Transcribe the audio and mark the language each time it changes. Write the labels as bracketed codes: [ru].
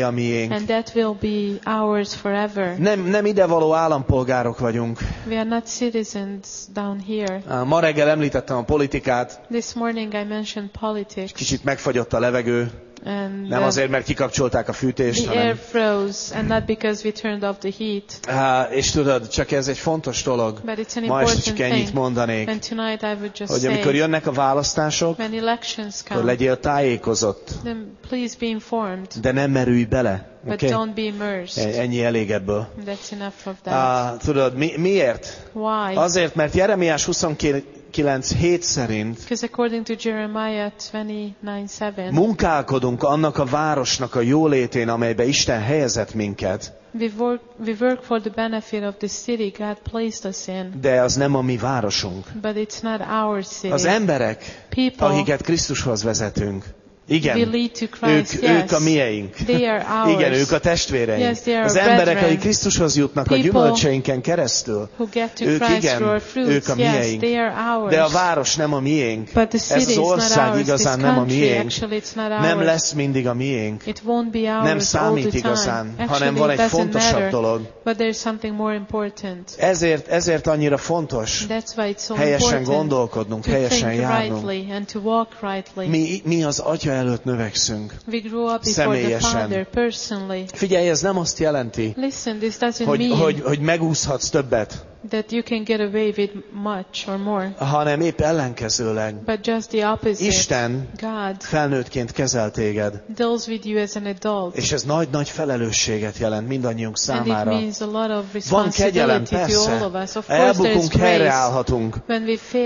[hu] a miénk. [en] And that will be ours forever. [hu] Nem idevaló állampolgárok vagyunk. [en] We are not citizens down here. [hu] Ma reggel említettem a politikát. [en] This morning I mentioned politics. [hu] Kicsit megfagyott a levegő. [en] And [hu] nem azért, mert kikapcsolták a fütést, [en] the air froze, and not because we turned off the heat. [hu] És tudod, csak ez egy fontos dolog. [en] But it's an [hu] ma [en] important [hu] csak ennyit [en] thing. [hu] Mondanék, [en] and tonight I would just [hu] hogy [en] say, [hu] amikor jönnek a választások, [en] when elections come, [hu] akkor legyél tájékozott, [en] then please be informed, [hu] de nem merülj bele. [en] Okay? But don't be immersed. [hu] Ennyi elég ebből. [en] That's enough of that. [hu] Tudod, miért? [en] Why? [hu] Azért, mert Jeremiás 29:7 szerint, [en] because according to Jeremiah 29:7, [hu] munkálkodunk annak a városnak a jólétén, amelybe Isten helyezett minket. [en] We work for the benefit of the city God placed us in. [hu] De az nem a mi városunk. [en] But it's not our city. [hu] Az emberek, [en] people, [hu] akiket Krisztushoz vezetünk. Igen, [en] we lead to Christ, [hu] ők, [en] yes. [hu] Ők a mieink. [en] They are ours. [hu] Igen, ők a testvéreink. [en] Yes, they are [hu] az emberek, [en] brethren. [hu] Akik Krisztushoz jutnak a gyümölcseinken keresztül, [en] who get to [hu] ők [en] Christ, [hu] igen, [en] fruits, [hu] ők a mieink. [en] Yes, they are ours. [hu] De a város nem a miénk. [en] But the city [hu] ez az ország [en] ours, [hu] igazán nem a miénk. [en] Actually, it's not ours. [hu] Nem lesz mindig a miénk. [en] It won't be ours [hu] nem számít [en] all the [hu] igazán, [en] time. [hu] Hanem [en] actually, [hu] van egy fontosabb [en] matter, [hu] dolog. [en] But there's something more important. [hu] Ezért annyira fontos [en] that's why it's so [hu] helyesen [en] important [hu] gondolkodnunk, [en] to [hu] helyesen járnunk. [en] Rightly, [hu] mi az Atya előtt növekszünk. [en] We grew up before [hu] személyesen. [en] The Father personally. [hu] Figyelj, ez nem azt jelenti, [en] listen, this doesn't [hu] hogy megúszhatsz többet, [en] that you can get away with much or more. [hu] Hanem épp ellenkezőleg. [en] But just the opposite. [hu] Isten [en] God [hu] felnőttként kezel téged. [en] Deals with you as an adult. [hu] És ez nagy-nagy felelősséget jelent mindannyiunk számára. [en] And it means a lot of responsibility. [hu] Van kegyelem, persze. [en] To all of us. Of [hu] elbukunk, helyreállhatunk. [en] When we fail,